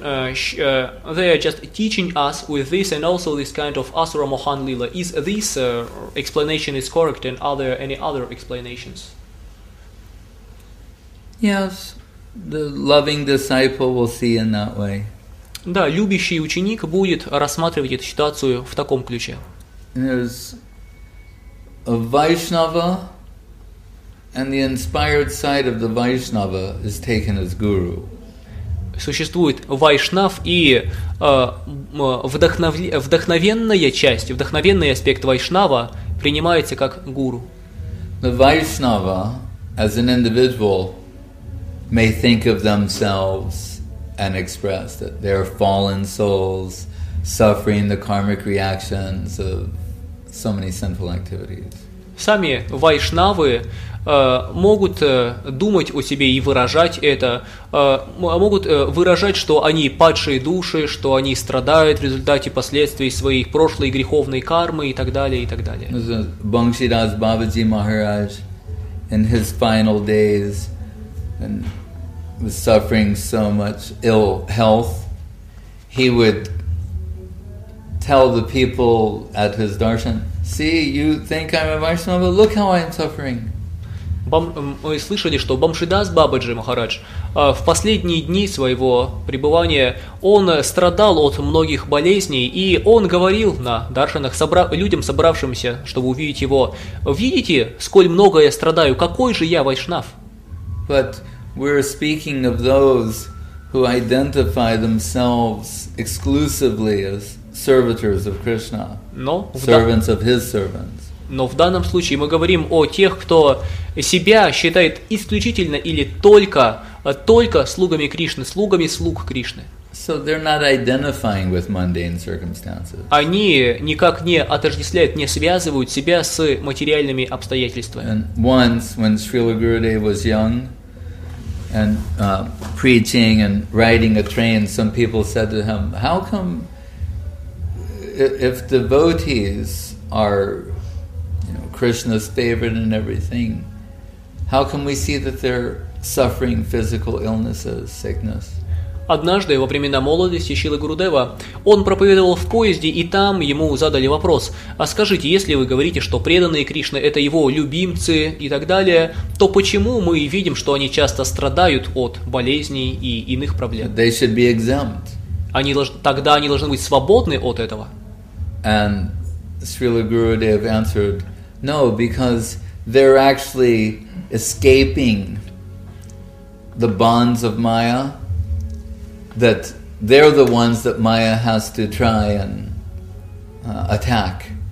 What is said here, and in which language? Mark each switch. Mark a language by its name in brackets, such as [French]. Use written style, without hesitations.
[English] They are just teaching us with this, and also this kind of Asura Mohan Lila. Is this explanation is correct? And are there any other explanations? Yes. The loving disciple will see in that way. [Russian] Да, любящий ученик будет рассматривать эту ситуацию в таком ключе. [English] There's a Vaishnava, and the inspired side of the Vaishnava is taken as guru. [Russian] Существует Вайшнав и вдохновенная часть, вдохновенный аспект Вайшнава принимается как гуру. [English] The Vaishnava as an individual may think of themselves and express that they're fallen souls suffering the karmic reactions of so many sinful activities. [Russian] Сами вайшнавы могут думать о себе и выражать это, могут выражать, что они падшие души, что они страдают в результате последствий своей прошлой греховной кармы и так далее, и так далее. [English] Бхактидас Бабаджи Махарадж in his final days and was suffering so much ill health, he would tell the people at his darshan, "See, you think I'm a Vaishnava, but look how I'm suffering." [Russian] Мы слышали, что Бамшидас Бабаджи Махарадж в последние дни своего пребывания он страдал от многих болезней, и он говорил на даршанах людям, собравшимся, чтобы увидеть его, "Видите, сколь много я страдаю, какой же я Вайшнав?" [English] But we're speaking of those who identify themselves exclusively as servitors of Krishna, servants of His servants. [Russian] Но в данном случае мы говорим о тех, кто себя считает исключительно или только слугами Кришны, слугами слуг Кришны. [English] So they're not identifying with mundane circumstances. [Russian] Они никак не отождествляют, не связывают себя с материальными обстоятельствами. [English] And once, when Srila Gurudev was young, and preaching and riding a train, some people said to him, "How come if devotees are, you know, Krishna's favorite and everything, how come we see that they're suffering physical illnesses, sickness?" [Russian] Однажды, во времена молодости Шрилы Гурудева, он проповедовал в поезде, и там ему задали вопрос: «А скажите, если вы говорите, что преданные Кришны – это его любимцы и так далее, то почему мы видим, что они часто страдают от болезней и иных проблем?» [English] They should be exempt. [Russian] Тогда они должны быть свободны от этого. [English] And Srila Gurudev answered, "No, because they're actually escaping the bonds of Maya. That they're the ones that Maya has to try and attack."